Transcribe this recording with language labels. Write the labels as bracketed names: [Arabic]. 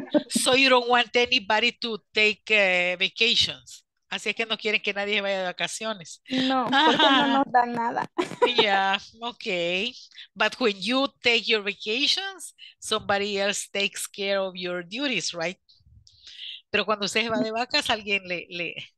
[English] So you don't want anybody to take vacations. [Spanish] Así es que no quieren que nadie vaya de vacaciones. No, porque no nos dan nada. [English] Yeah, okay. But when you take your vacations, somebody else takes care of your duties, right? [Spanish] Pero cuando usted va de vacas, alguien le...